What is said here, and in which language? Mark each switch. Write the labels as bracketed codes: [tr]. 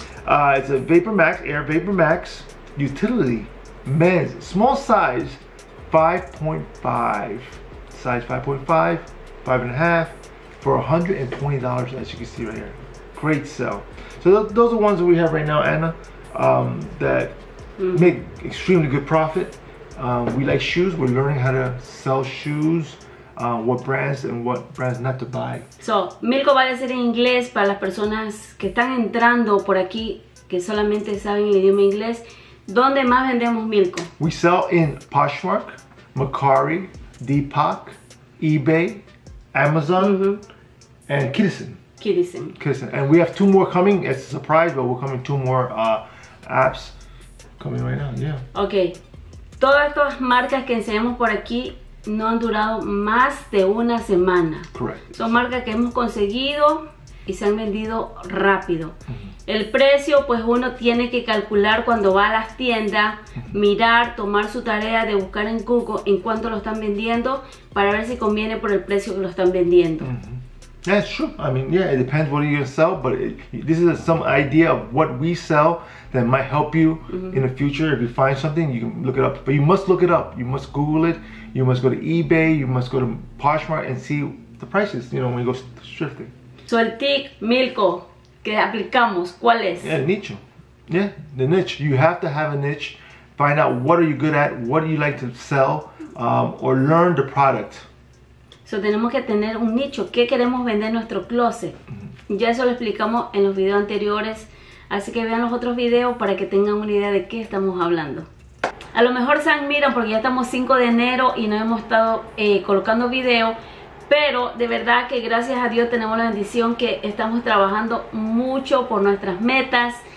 [en] It's a Vapor Max, Air Vapor Max, utility, men's, small size, 5.5, size 5.5, 5.5, for $120, as you can see right here. Great sell. So those are ones that we have right now, Anna, that make extremely good profit. We like shoes, we're learning how to sell shoes. What brands and what brands not to buy. [es] So, Mirko va a decir en inglés para las personas que están entrando por aquí que solamente saben el idioma inglés. ¿Dónde más vendemos, Mirko? [en] We sell in Poshmark, Mercari, Depop, eBay, Amazon, and Kittison. Kittison. And we have 2 more coming. It's a surprise, but we're coming 2 more apps coming right now. Yeah. Okay. [es] Todas estas marcas que enseñamos por aquí no han durado más de una semana. [en] Correct. [es] Son marcas que hemos conseguido y se han vendido rápido. El precio, pues uno tiene que calcular cuando va a las tiendas, mirar, tomar su tarea de buscar en Google en cuánto lo están vendiendo para ver si conviene por el precio que lo están vendiendo. [en] That's true. I mean, yeah, it depends what you sell, but this is some idea of what we sell that might help you in the future. If you find something, you can look it up. But you must look it up. You must Google it. You must go to eBay. You must go to Poshmark and see the prices, you know, when it goes shifting. [es] So el tick, Milko, que aplicamos, ¿cuál es? [en] Yeah, nicho. Yeah, the niche. You have to have a niche. Find out what are you good at, what do you like to sell, or learn the product. [es] So tenemos que tener un nicho. ¿Qué queremos vender en nuestro closet? Mm-hmm. Ya eso lo explicamos en los videos anteriores. Así que vean los otros videos para que tengan una idea de qué estamos hablando. A lo mejor se admiran porque ya estamos 5 de enero y no hemos estado colocando video, pero de verdad que gracias a Dios tenemos la bendición que estamos trabajando mucho por nuestras metas.